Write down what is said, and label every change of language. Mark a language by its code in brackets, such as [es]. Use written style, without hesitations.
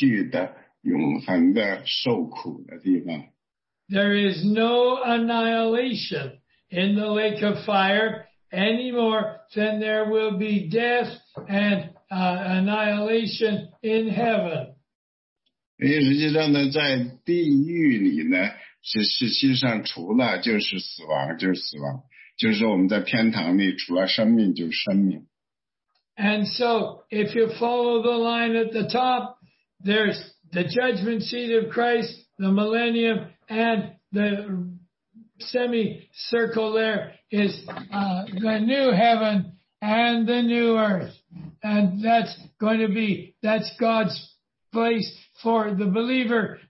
[zh] 因为火湖在圣经的一些其他地方给我们描述的这个地方呢，是继续的永恒的受苦的地方。 [en] There is no annihilation in the lake of fire any more than there will be death and annihilation in heaven. [zh] 实际上呢，在地狱里呢，实际上除了就是死亡，就是死亡，就是我们在天堂里除了生命就是生命。 [en] And so, if you follow the line at the top, there's the judgment seat of Christ, the millennium, and the semicircle there is the new heaven and the new earth. And that's going to be, that's God's place for the believer.